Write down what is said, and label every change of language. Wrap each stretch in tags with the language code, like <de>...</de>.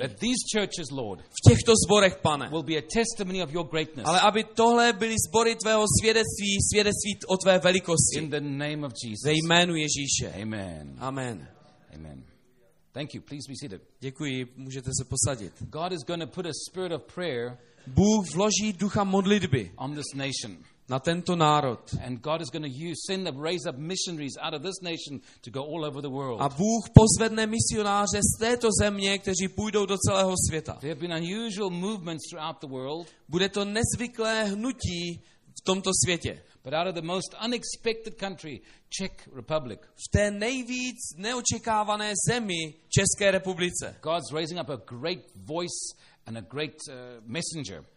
<en>That these churches, Lord,</en> <cs>v těchto zborech, Pane,</cs> <en>will be a testimony of your greatness.</en> <cs>Ale aby tohle byly sbory tvého svědectví, svědectví o tvé velikosti.</cs> <en>In the name of Jesus.</en> <cs>Ve jménu Ježíše.</cs> <en>Amen.</en> <cs>Amen.</cs> <en>Amen. Thank you. Please be seated.</en> <cs>Děkuji, můžete se posadit.</cs> <en>God is going to put a spirit of prayer.</en> <cs>Bůh vloží ducha modlitby</cs> <en>on this nation.</en> <cs>Na tento národ.</cs> <en>And God is going to send up, raise up missionaries out of this nation to go all over the world.</en> <cs>A Bůh pozvedne misionáře z této země, kteří půjdou do celého světa.</cs> <en>There have been unusual movements throughout the world.</en> <cs>Bude to nezvyklé hnutí v tomto světě.</cs> <en>But out of the most unexpected country, Czech Republic.</en> <cs>V té nejvíc neočekávané zemi České republice.</cs> <en>God's raising up a great voice and a great messenger.</en>